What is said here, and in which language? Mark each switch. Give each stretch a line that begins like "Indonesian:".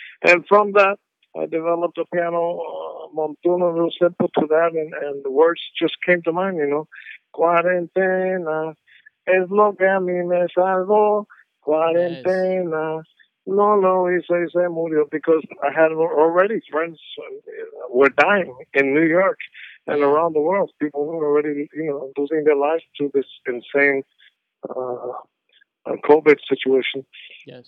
English: And from that, I developed a piano montuno, real simple to that, and the words just came to mind, you know.
Spanish: Cuarentena es lo que a mí me salvó.
English: Cuarentena, yes.
Spanish: No lo hice y se murió,
English: because I had already friends were dying in New York and around the world. People were already, you know, losing their lives to this insane COVID situation. Yes.